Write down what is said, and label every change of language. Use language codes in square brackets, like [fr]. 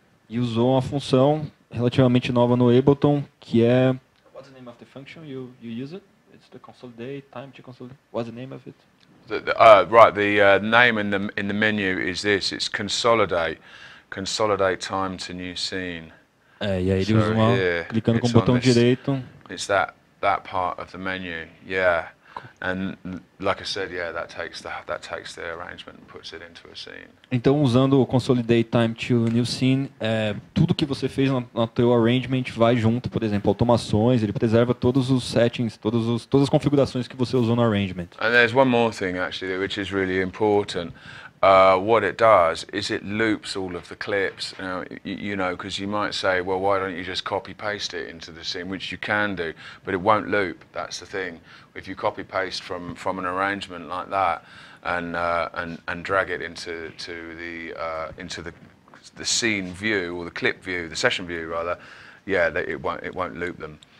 [pt] E usou uma função relativamente nova no Ableton, que é. [en] What's the name of the function you use it? It's the consolidate, time to consolidate. What's the name of it? The name in the menu is this. It's consolidate time to new scene. [pt] Yeah, ele usa uma, clicando com o botão direito. [en] It's that part of the menu. Yeah, and like I said, yeah, that takes the arrangement and puts it into a scene. [pt] Então, usando o consolidate time to new scene, tudo que você fez no teu arrangement vai junto. Por exemplo, automações, ele preserva todos os settings, todas as configurações que você usou no arrangement. [en] And there's one more thing actually, which is really important. What it does is it loops all of the clips, because you might say, well, why don't you just copy paste it into the scene, which you can do, but it won't loop. That's the thing. If you copy paste from an arrangement like that and drag it into the scene view, or the clip view, the session view rather, yeah, it won't loop them.